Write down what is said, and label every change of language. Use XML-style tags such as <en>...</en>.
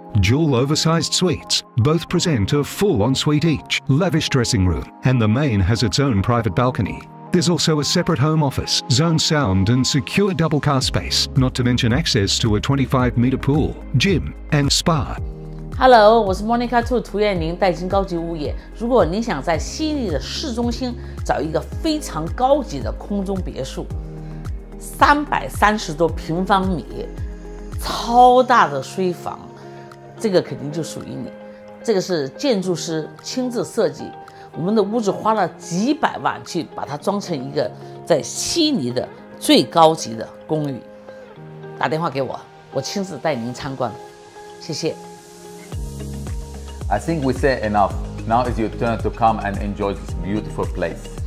<en>Dual oversized suites, both present a full ensuite each, lavish dressing room, and the main has its own private balcony. There's also a separate home office, zone sound and secure double car space, not to mention access to a 25-meter pool, gym, and spa.</en> <zh>Hello, 我是Monica兔 图彦宁，戴金高级物业。如果你想在悉尼的市中心找一个非常高级的空中别墅， 330多平方米，超大的睡房， 这个肯定就属于你，这个是建筑师亲自设计，我们的屋子花了几百万去把它装成一个在悉尼的最高级的公寓。打电话给我，我亲自带您参观，谢谢。</zh> <en>I think we said enough. Now is your turn to come and enjoy this beautiful place.</en>